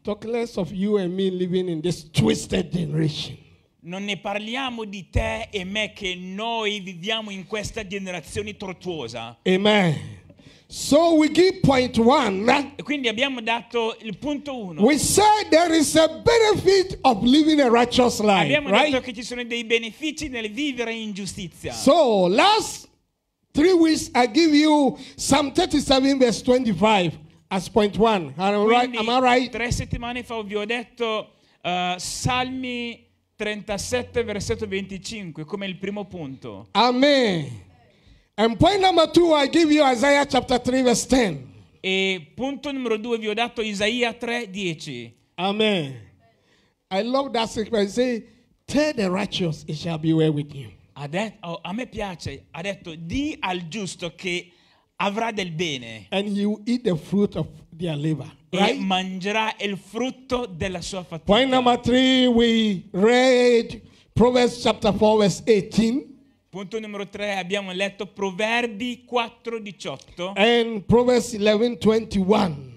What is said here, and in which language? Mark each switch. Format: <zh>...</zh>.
<en>Talk less of you and me living in this twisted generation.</en> <it>Non ne parliamo di te e me che noi viviamo in questa generazione tortuosa.</it> <en>Amen. So we give point one.</en> <it>E quindi abbiamo dato il punto uno.</it> <en>We said there is a benefit of living a righteous life.</en> <it>Abbiamo</it> <en>right?</en> <it>detto che ci sono dei benefici nel vivere in giustizia.</it> <en>So last 3 weeks I give you Psalm 37 verse 25 as point one. Am I right?</en> <it>3 settimane fa vi ho detto Salmi 37 versetto 25 come il primo punto.</it> <en>Amen. And point number two, I give you Isaiah chapter 3 verse 10.</en> <it>E punto numero due vi ho dato Isaia 3:10.</it> <en>Amen. I love that scripture. Say, tell the righteous, it shall be well with you.</en> <it>A me piace. Ha detto, di al giusto che avrà del bene.</it> <en>And he will eat the fruit of their labor.</en> <it>E mangerà il frutto della sua fatica.</it> <en>Point number three, we read Proverbs chapter 4 verse 18.</en> <it>Punto numero 3 abbiamo letto Proverbi 4:18</it> <en>and Proverbs 11:21</en>